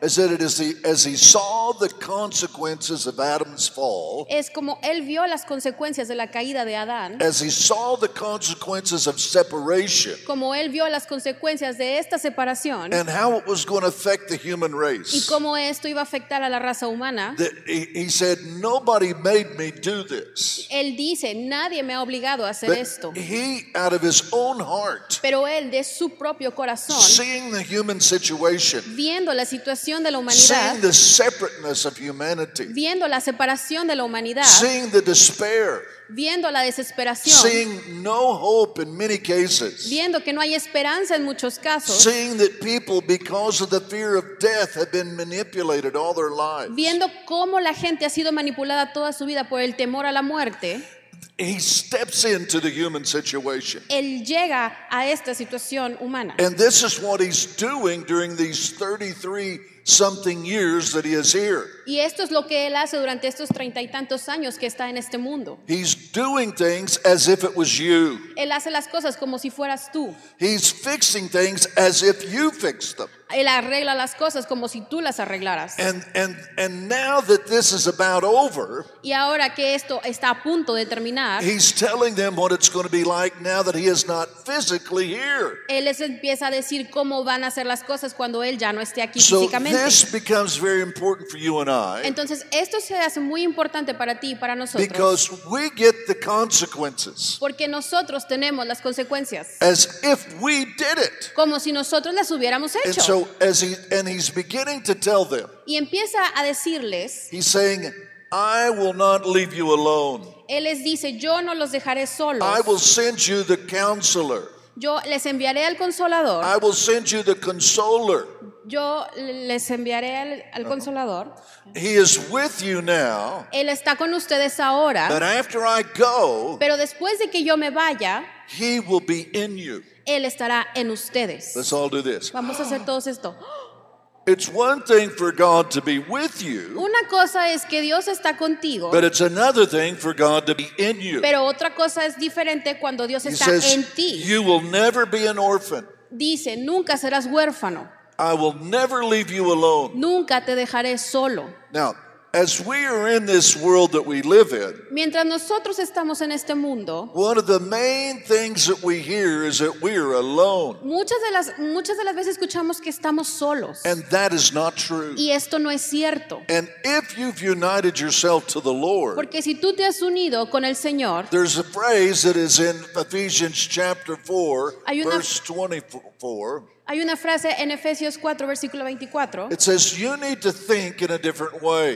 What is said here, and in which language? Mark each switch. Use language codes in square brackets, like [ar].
[en] Is that it is the, as he saw the consequences of Adam's fall. [es] Es como él vio las consecuencias de la caída de Adán. [en] As he saw the consequences of separation. [es] como él vio las consecuencias de esta separación, [en] and how it was going to affect the human race, [es] y cómo esto iba a afectar a la raza humana, [en] he said, nobody made me do this. [es] Él dice, nadie me ha obligado a hacer [en] but [es] esto. [en] He, out of his own heart, [es] pero él, de su propio corazón, [en] seeing the human situation, [es] viendo la situación de la humanidad, [en] seeing the separateness of humanity, [es] viendo la separación de la humanidad, [en] seeing the despair, [es] viendo la desesperación, [en] seeing no hope in many cases, [es] viendo que no hay esperanza en muchos casos, [en] seeing that people, because of the fear of death, have been manipulated all their lives, [es] viendo cómo la gente ha sido manipulada toda su vida por el temor a la muerte, [en] he steps into the human situation. [es] Él llega a esta situación humana. [en] And this is what he's doing during these 33 something years that he is here. [es] Y esto es lo que él hace durante estos 30 y tantos años que está en este mundo. [en] He's doing things as if it was you. [es] Él hace las cosas como si fueras tú. [en] He's fixing things as if you fixed them. [es] Él arregla las cosas como si tú las arreglaras. [en] And now that this is about over, [es] y ahora que esto está a punto de terminar, [en] he's telling them what it's going to be like now that he is not physically here. [es] Él les empieza a decir cómo van a ser las cosas cuando él ya no esté aquí [en] so [es] físicamente. [en] So this becomes very important for you and I. [es] Entonces esto se hace muy importante para ti y para nosotros. [en] Because we get the consequences. [es] Porque nosotros tenemos las consecuencias. [en] As if we did it. [es] Como si nosotros las hubiéramos hecho. [en] And so as he's beginning to tell them, [es] y empieza a decirles, [en] he's saying, I will not leave you alone. [es] Él les dice, yo no los dejaré solos. [en] I will send you the counselor. [es] Yo les enviaré al consolador. [en] I will send you the consoler. [es] Yo les enviaré al consolador. [en] He is with you now. [es] Él está con ustedes ahora. [en] But after I go, [es] pero después de que yo me vaya, [en] he will be in you. [es] Él estará en ustedes. [en] Let's all do this. [es] Vamos a hacer todos esto. [en] It's one thing for God to be with you. [es] Una cosa es que Dios está contigo. [en] But it's another thing for God to be in you. [es] Pero otra cosa es diferente cuando Dios [en] he [es] está [en] says, [es] en ti. [en] You will never be an orphan. [es] Dice, nunca serás huérfano. [en] I will never leave you alone. [es] Nunca te dejaré solo. [en] Now, as we are in this world that we live in, [es] mientras nosotros estamos en este mundo, [en] one of the main things that we hear is that we are alone. [es] Muchas de las veces escuchamos que estamos solos. [en] And that is not true. [es] Y esto no es cierto. [en] And if you've united yourself to the Lord, [es] porque si tú te has unido con el Señor, [en] there's a phrase that is in Ephesians chapter 4, verse 24. [es] Hay una frase en Efesios 4, versículo 24. [en] It says, you need to think in a different way.